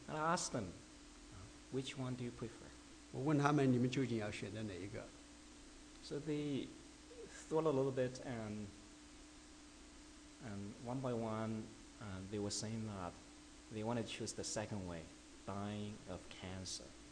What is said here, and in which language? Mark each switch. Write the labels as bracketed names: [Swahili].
[English] And I ask them, which one do you prefer? [Chinese] 我问他们，你们究竟要选择哪一个？ [English] So they thought a little bit, and one by one, they were saying that they want to choose the second way, dying of cancer.